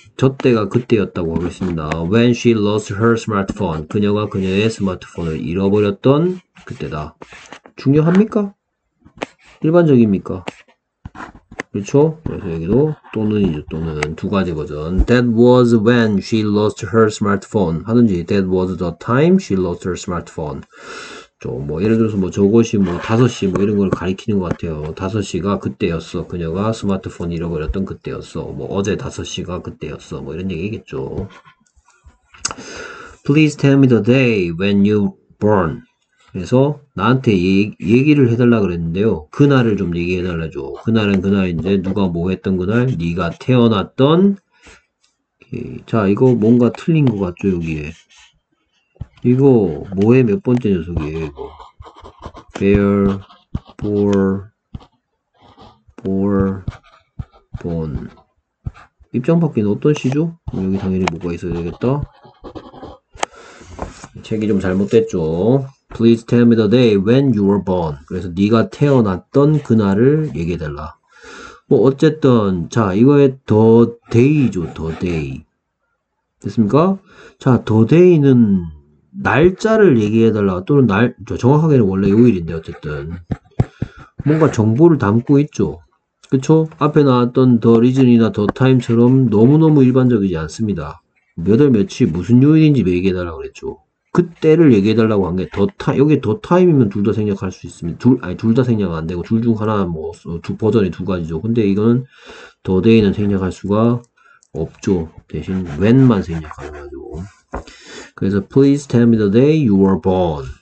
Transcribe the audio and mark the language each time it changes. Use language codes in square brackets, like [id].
[ko] 저 때가 그때였다고 하겠습니다. [en] When she lost her smartphone. [ko] 그녀가 그녀의 스마트폰을 잃어버렸던 그때다. 중요합니까? 일반적입니까? 그렇죠? 그래서 여기도 또는이죠. 또는 두 가지 버전. [en] That was when she lost her smartphone. 하든지 that was the time she lost her smartphone. [ko] 뭐 예를 들어서 뭐 저것이 뭐 5시 뭐 이런 걸 가리키는 것 같아요. 5시가 그때였어. 그녀가 스마트폰 잃어버렸던 그때였어. 뭐 어제 5시가 그때였어. 뭐 이런 얘기겠죠. [en] Please tell me the day when you born. [ko] 그래서 나한테 얘기를 해달라 그랬는데요. 그날을 좀 얘기해달라죠. 그날은 그날인데 누가 뭐 했던 그날? 네가 태어났던. 오케이. 자, 이거 뭔가 틀린 것 같죠, 여기에. 이거 뭐의 몇 번째 녀석이에요, 이거? [en] Bear, bore, born. [ko] 입장 바뀌는 어떤 시죠? 여기 당연히 뭐가 있어야 되겠다. 책이 좀 잘못됐죠. [en] Please tell me the day when you were born. [ko] 그래서 네가 태어났던 그날을 얘기해달라. 뭐 어쨌든 자 이거의 the day죠. the day. 됐습니까? 자 the day는 날짜를 얘기해달라. 또는 날 정확하게는 원래 요일인데 어쨌든 뭔가 정보를 담고 있죠. 그쵸? 앞에 나왔던 the reason이나 the time처럼 너무너무 일반적이지 않습니다. 몇월 며칠 무슨 요일인지 얘기해달라고 그랬죠. 그때를 얘기해달라고 한게더 타임, 여기 더 타임이면 둘다 생략할 수 있습니다. 아니 둘다 생략 안 되고 둘중 하나 뭐두 버전이 두 가지죠. 근데 이거는 더 데이는 생략할 수가 없죠. 대신 when만 생략하려고. [en] 그래서 please tell me the day you were born.